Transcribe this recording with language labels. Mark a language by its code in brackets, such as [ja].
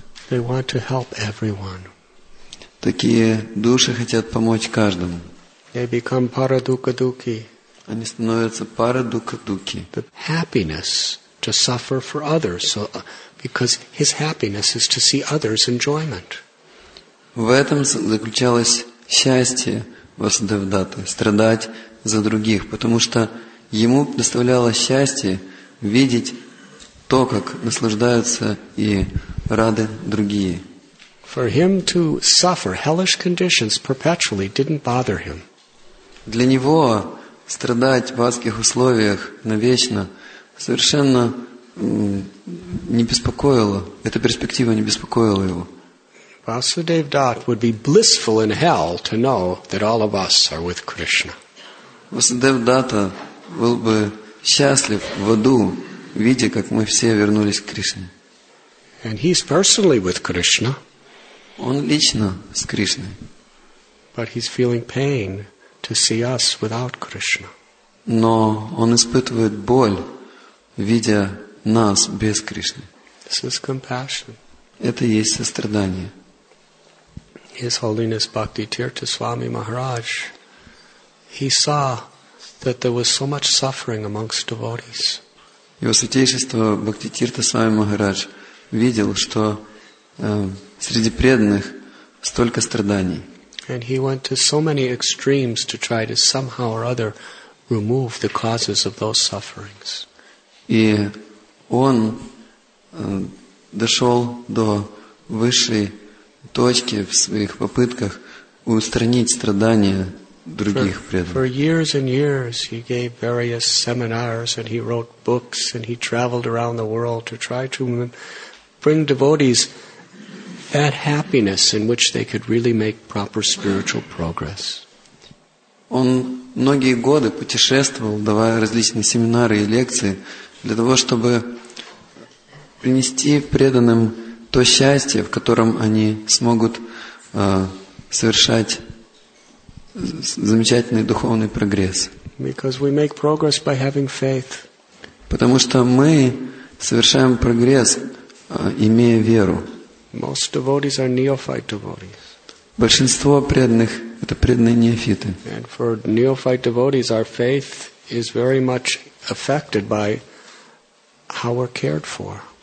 [en] They want to help everyone. [ru] Такие души хотят помочь каждому. [en] They become парадука-дуки. [ru] Они становятся парадука-дуки. [en] The happiness to suffer for others, so, because his happiness is to see others' enjoyment. [ru] В этом заключалось счастье Васудевдаты, страдать за других, потому что ему доставляло счастье видеть то, как наслаждаются и рады другие. [en] For him to suffer hellish conditions perpetually didn't bother him. [ru] Для него страдать в адских условиях навечно совершенно не беспокоило, эта перспектива не беспокоила его. [en] Vasudev Dat would be blissful in hell to know that all of us are with Krishna. [ru] Vasudev Dat был бы счастлив в аду, видя, как мы все вернулись к Кришне. [en] And he's personally with Krishna. [ru] Он лично с Кришной. [en] But he's feeling pain to see us without Krishna. [ru] Но он испытывает боль, видя нас без Кришны. [en] This is compassion. [ru] Это есть сострадание. [en] His Holiness Bhakti Tirtha Swami Maharaj, he saw that there was so much suffering amongst devotees. [ru] Его святейшество Бхакти Тирта Свами Махарадж видел, что среди преданных столько страданий. [en] And he went to so many extremes to try to somehow or other remove the causes of those sufferings. [ru] И он дошел до высшей точки в своих попытках устранить страдания других преданных. [en] For years and years he gave various seminars and he wrote books and he traveled around the world to try to bring devotees that happiness in which they could really make proper spiritual progress. [ru] Он многие годы путешествовал, давая различные семинары и лекции для того, чтобы принести преданным то счастье, в котором они смогут совершать замечательный духовный прогресс. [en] Because we make progress by having faith. [ru] Потому что мы совершаем прогресс, имея веру. [en] Most devotees are neophyte devotees. [ru] Большинство преданных – это преданные неофиты. [en] And for neophyte devotees, our faith is very much affected by how we're cared for.